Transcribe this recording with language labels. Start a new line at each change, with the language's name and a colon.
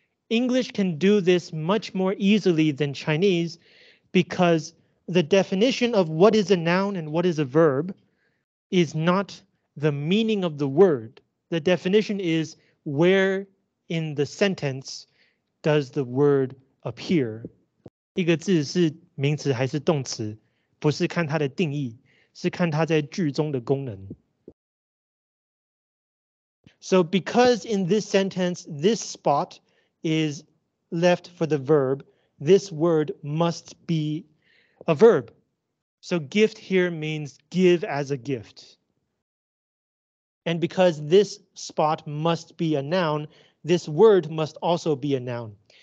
English: English can do this much more easily than Chinese because the definition of what is a noun and what is a verb is not the meaning of the word. The definition is where in the sentence does the word appear.
Chinese: 一个字是名词还是动词，不是看它的定义。是看它在句中的功能.
English: So because in this sentence, this spot is left for the verb, this word must be a verb. So gift here means give as a gift. And because this spot must be a noun, this word must also be a noun.